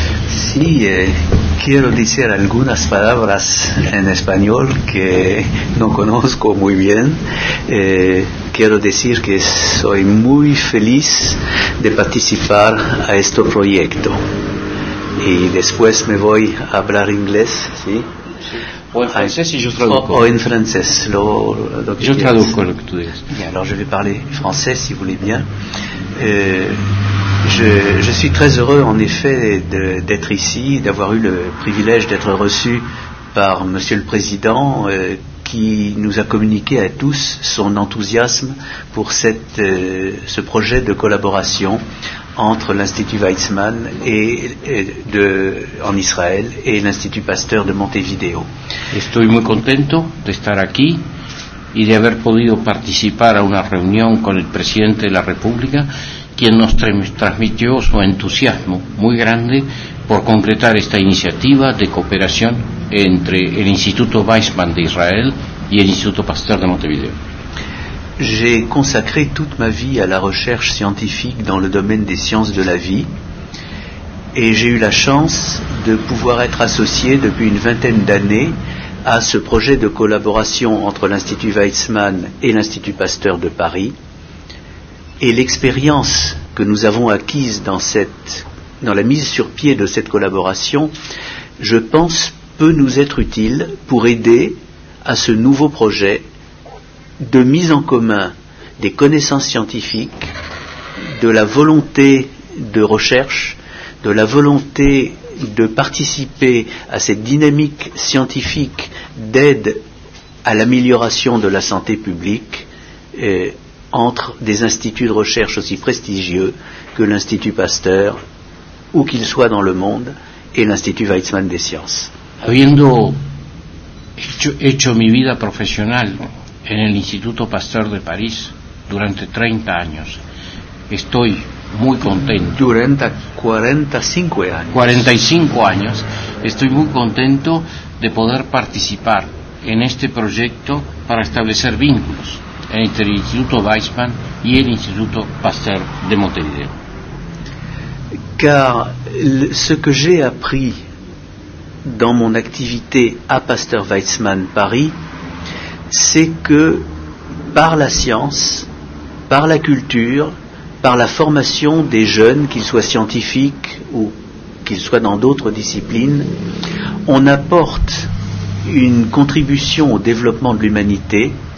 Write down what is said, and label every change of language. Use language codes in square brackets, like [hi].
[es] Sí, quiero decir algunas palabras en español que no conozco muy bien. Quiero decir que soy muy feliz de participar a este proyecto. Y después me voy a hablar inglés, ¿sí? O en francés y yo traduzco. O en francés, lo que yo traduzco lo que tú dices. [fr] Bien, alors je vais parler français, si vous voulez bien. Je suis très heureux, en effet, d'être ici, d'avoir eu le privilège d'être reçu par Monsieur le Président, qui nous a communiqué à tous son enthousiasme pour ce projet de collaboration entre l'Institut Weizmann en Israël et l'Institut Pasteur de Montevideo. [es] Estoy muy contento de estar aquí y de haber podido participar a una reunión con el Presidente de la República, quien nos transmitió su entusiasmo muy grande por concretar esta iniciativa de cooperación entre el Instituto Weizmann de Israel y el Instituto Pasteur de Montevideo. [fr] J'ai consacré toute ma vie à la recherche scientifique dans le domaine des sciences de la vie et j'ai eu la chance de pouvoir être associé depuis une vingtaine d'années à ce projet de collaboration entre l'Institut Weizmann et l'Institut Pasteur de Paris. Et l'expérience que nous avons acquise dans la mise sur pied de cette collaboration, je pense, peut nous être utile pour aider à ce nouveau projet de mise en commun des connaissances scientifiques, de la volonté de recherche, de la volonté de participer à cette dynamique scientifique d'aide à l'amélioration de la santé publique, entre des instituts de recherche aussi prestigieux que l'Institut Pasteur, où qu'il soit dans le monde, et l'Institut Weizmann des sciences. [es] Habiendo hecho mi vida profesional en el Instituto Pasteur de París durante 30 años, estoy muy contento. Durante 45 años. 45 años. Estoy muy contento de poder participar en este proyecto para establecer vínculos entre el Instituto Weizmann y el Instituto Pasteur de Montevideo. [fr] Car ce que j'ai appris dans mon activité à Pasteur Weizmann Paris, c'est que par la science, par la culture, par la formation des jeunes, qu'ils soient scientifiques ou qu'ils soient dans d'autres disciplines, on apporte une contribution au développement de l'humanité.